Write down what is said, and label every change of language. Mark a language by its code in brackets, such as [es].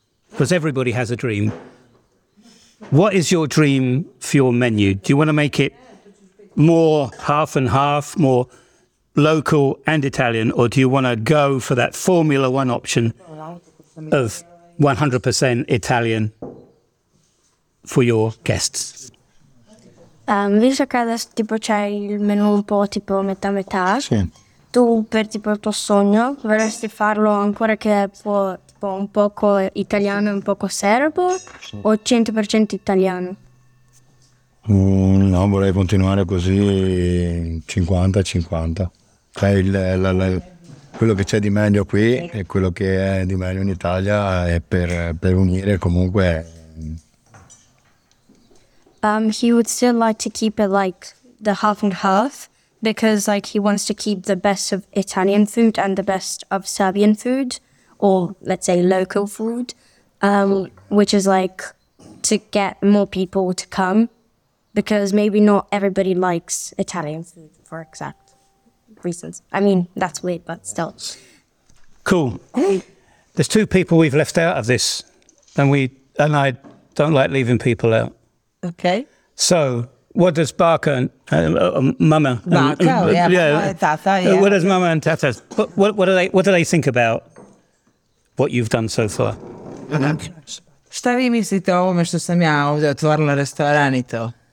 [en] Because everybody has a dream. What is your dream for your menu? Do you want to make it more half and half, more local and Italian, or do you want to go for that Formula One option of 100% Italian for your guests? [it] Visto che adesso tipo c'è il menù un po' tipo metà metà, sì. Tu per tipo il tuo sogno vorresti farlo ancora che può tipo un poco italiano e un poco serbo, sì. O 100% italiano? No, vorrei continuare così 50-50. Cioè quello che c'è di meglio qui e quello che è di meglio in Italia è per unire comunque. [en] He would still like to keep it like the half and half because like he wants to keep the best of Italian food and the best of Serbian food, or let's say local food, which is like to get more people to come because maybe not everybody likes Italian food for example. Reasons. I mean, that's weird, but still. Cool. There's two people we've left out of this, and I don't like leaving people out. Okay. So, what does Barker and Mama? Barker, yeah. What does Mama and Tata? What do they think about what you've done so far? Stavi mi si trovo me sto samiamo da tornare al ristorante.